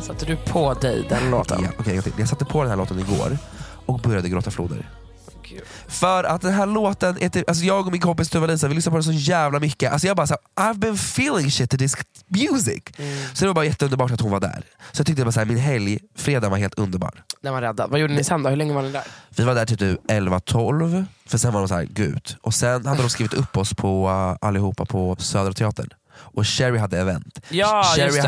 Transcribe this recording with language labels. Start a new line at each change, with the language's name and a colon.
Swedish: Satte du på dig den låten? Ja, okej, jag satte på den här låten igår och började gråta floder. Oh, för att den här låten är typ, alltså jag och min kompis Tuva Lisa, vi lyssnar på den så jävla mycket. Alltså jag bara så här,
English: I've been feeling shit to this music.
Swedish: Mm. Så det var bara jätteunderbart att hon var där. Så jag tyckte bara så här, min helg, fredag var helt underbar. Den var räddad. Vad gjorde ni sen då? Hur länge var ni där? Vi var där typ 11-12. För sen var de så här, gud. Och sen hade de skrivit upp oss på allihopa på Södra Teatern. Och Sherry hade event. Ja, Sherry just det,